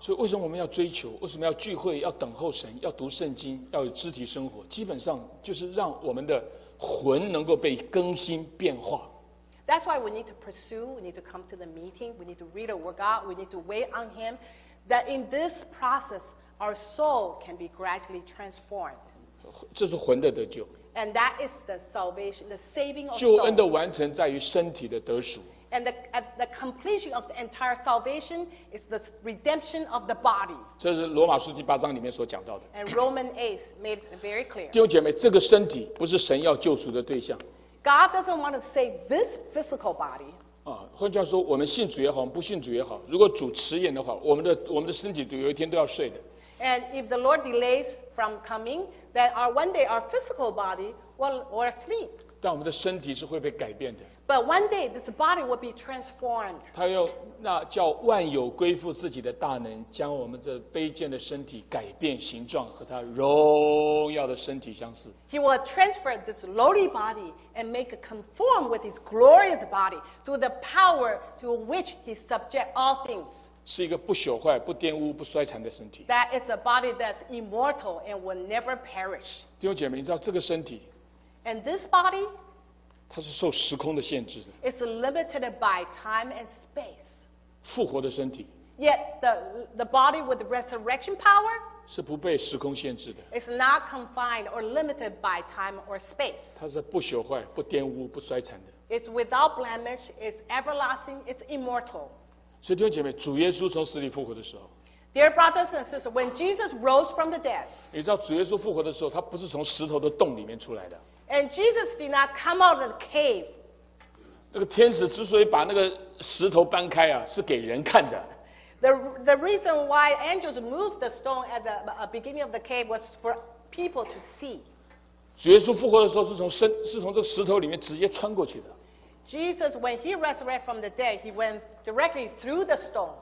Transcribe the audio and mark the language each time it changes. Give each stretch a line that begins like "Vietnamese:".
Chinese: 所以为什么我们要追求？为什么要聚会？要等候神？要读圣经？要有肢体生活？基本上就是让我们的魂能够被更新变化。
English: That's why we need to pursue, we need to come to the meeting, we need to read the word of God, we need to wait on Him, that in this process, our soul can be gradually transformed.
Chinese: 这是魂的得救。
English: And that is the salvation, the saving of soul.
Chinese: 救恩的完成在于身体的得赎。
English: And the completion of the entire salvation is the redemption of the body.
Chinese: 这是罗马书第八章里面所讲到的。
English: And Romans 8 made it very clear.
Chinese: 弟兄姐妹，这个身体不是神要救赎的对象。
English: God doesn't want to save this physical body.
Chinese: 换句话说，我们信主也好，我们不信主也好，如果主迟延的话，我们的身体有一天都要碎的。
English: And if the Lord delays from coming, then one day our physical body will sleep.
Chinese: 但我们的身体是会被改变的。
English: But one day this body will be transformed.
Chinese: 他用那叫万有归附自己的大能，将我们这卑贱的身体改变形状，和他荣耀的身体相似。
English: He will transfer this lowly body and make it conform with his glorious body through the power to which he subjects all things.
Chinese: 是一个不朽坏、不玷污、不衰残的身体。
English: That is a body that's immortal and will never perish.
Chinese: 弟兄姐妹，你知道这个身体？
English: And this body,
Chinese: 它是受时空的限制的。
English: It's limited by time and space.
Chinese: 复活的身体。
English: Yet the body with resurrection power
Chinese: 是不被时空限制的。
English: It's not confined or limited by time or space.
Chinese: 它是不朽坏、不玷污、不衰残的。
English: It's without blemish. It's everlasting. It's immortal.
Chinese: 所以弟兄姐妹，主耶稣从死里复活的时候。
English: Dear brothers and sisters, when Jesus rose from the dead,
Chinese: 你知道主耶稣复活的时候，他不是从石头的洞里面出来的。
English: And Jesus did not come out of the cave.
Chinese: 那个天使之所以把那个石头搬开啊，是给人看的。
English: The reason why angels moved the stone at the beginning of the cave was for people to see.
Chinese: 主耶稣复活的时候是从这个石头里面直接穿过去的。
English: Jesus, when he resurrected from the dead, he went directly through the stone.